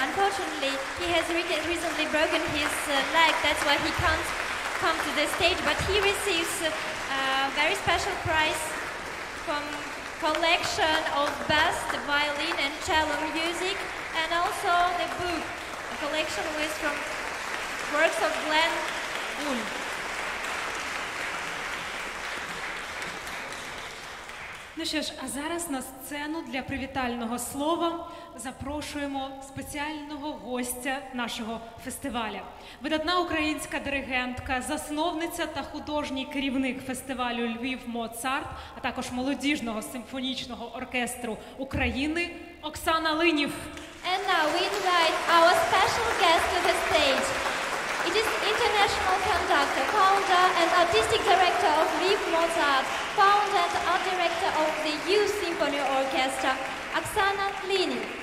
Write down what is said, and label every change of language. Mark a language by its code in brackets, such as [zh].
[en] Unfortunately, he has recently broken his leg, that's why he can't come to the stage, but he receives a very special prize from collection of best violin and cello music, and also the book, a collection with from works of Glenn Gould. [uk] Ну що ж, а зараз на сцену для привітального слова запрошуємо спеціального гостя нашого фестивалю. Видатна українська диригентка, засновниця та художній керівник фестивалю «Львів Моцарт», а також молодіжного симфонічного оркестру України Оксана Линів. [en] And now we invite our special guest to the stage. It is international conductor, founder and artistic director of Львів Моцарт, founder and art director of the Youth Symphony Orchestra, Оксана Линів.